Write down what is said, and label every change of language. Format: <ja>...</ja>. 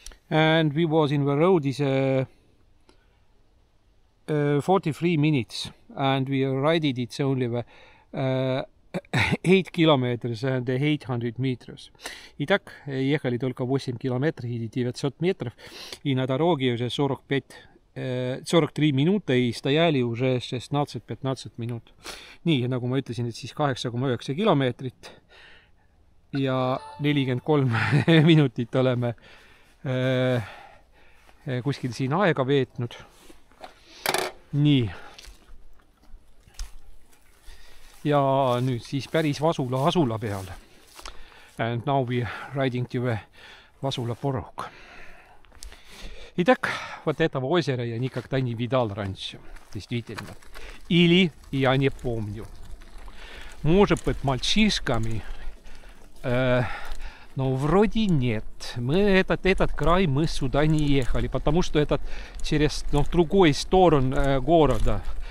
<en>And we was in the road is a 43 minutes and we rided it's only 8 kilometers and 800 meters.</en> <ru>Итак, ехали только 8 километров и 900 метров. И на дороге уже 43 минуты и стояли уже 16-15 минут.</ru> <et>Nii, nagu ma ütlesin, et siis 8,9 kilometrit ja 43 minutit oleme kuskil siin aega veetnud. Nii. Ja nüüd siis päris Vasula peal.</et> <en>And now we riding to the Vasula porok.</en> <ru>Итак, вот это озеро я никогда не видал раньше. Действительно. Или я не помню. Может быть, мальчишками, но вроде нет. Мы этот край мы сюда не ехали, потому что этот через другой сторону города.</ru>